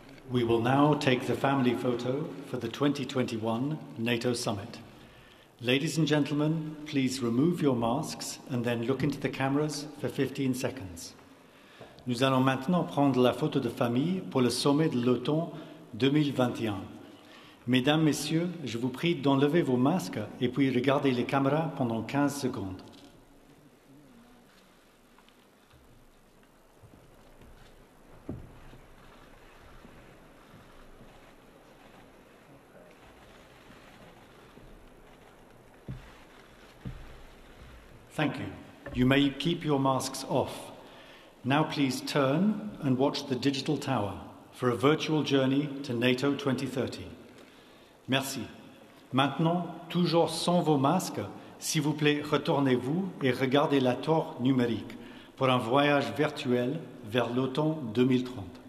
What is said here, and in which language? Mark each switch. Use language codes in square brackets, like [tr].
[en] We will now take the family photo for the 2021 NATO summit. Ladies and gentlemen, please remove your masks and then look into the cameras for 15 seconds. [fr] Nous allons maintenant prendre la photo de famille pour le sommet de l'OTAN 2021. Mesdames, messieurs, je vous prie d'enlever vos masques et puis regarder les caméras pendant 15 secondes. [en] Thank you. You may keep your masks off. Now please turn and watch the digital tower for a virtual journey to NATO 2030. [fr] Merci. Maintenant, toujours sans vos masques, s'il vous plaît, retournez-vous et regardez la tour numérique pour un voyage virtuel vers l'OTAN 2030.